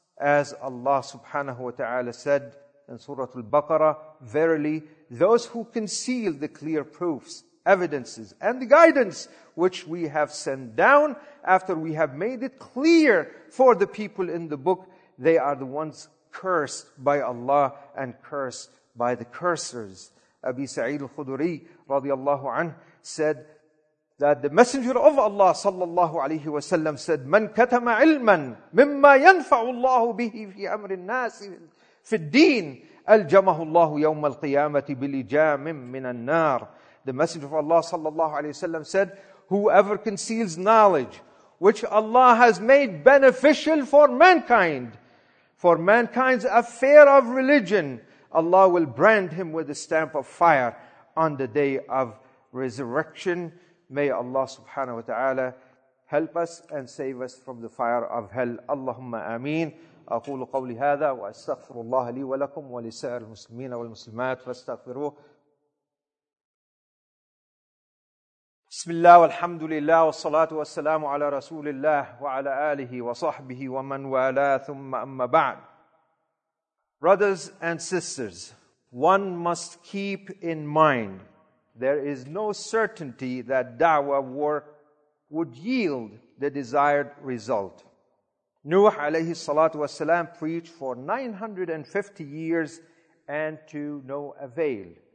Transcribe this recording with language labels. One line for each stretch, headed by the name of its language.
English: As Allah subhanahu wa ta'ala said in Surah Al-Baqarah, verily, those who conceal the clear proofs, evidences, and the guidance which we have sent down after we have made it clear for the people in the book, they are the ones cursed by Allah and cursed by the cursers. Abi Sa'id al-Khudri radiallahu anhu said that the Messenger of Allah sallallahu alayhi wa sallam said,
Arabic: من كتم علما مما ينفع الله به في أمر الناس في الدين ألجمه الله يوم القيامة بلجام من النار.
English: The Messenger of Allah sallallahu alayhi wa sallam said, whoever conceals knowledge which Allah has made beneficial for mankind, for mankind's affair of religion, Allah will brand him with the stamp of fire on the day of resurrection. May Allah subhanahu wa ta'ala help us and save us from the fire of hell. Allahumma ameen.
Arabic: أقول قولي هذا وأستغفر الله لي ولكم ولسائر المسلمين والمسلمات فاستغفروه. بسم الله والحمد لله والصلاة والسلام على رسول الله وعلى آله وصحبه ومن والاه ثم أما بعد.
English: Brothers and sisters, one must keep in mind there is no certainty that da'wah work would yield the desired result. Nuh alayhi salatu wasalam preached for 950 years and to no avail.